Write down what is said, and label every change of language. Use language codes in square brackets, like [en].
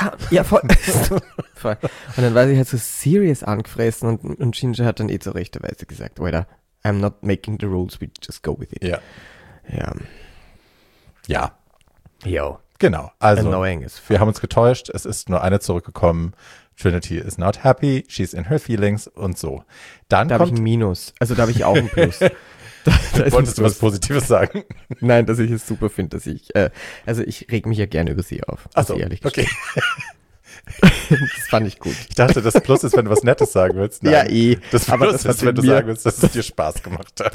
[de] Ja, voll. Voll. Und dann war sie halt so serious angefressen und Ginger hat dann eh zur rechten Weise gesagt, Alter, [en] I'm not making the rules, we just go with it. [de] Ja. Ja. Ja. Yo. Genau. Also, wir haben uns getäuscht. Es ist nur eine zurückgekommen. [en] Trinity is not happy, she's in her feelings [de] und so. Dann da habe ich ein Minus, also da habe ich auch ein Plus. Wolltest du was Positives sagen? Nein, dass ich es super finde, dass ich, also ich reg mich ja gerne über sie auf. Achso, ehrlich okay. Das fand ich gut. Ich dachte, das Plus ist, wenn du was Nettes sagen willst. Nein, ja, eh. Das Plus das ist, wenn du sagen willst, dass es dir Spaß gemacht hat.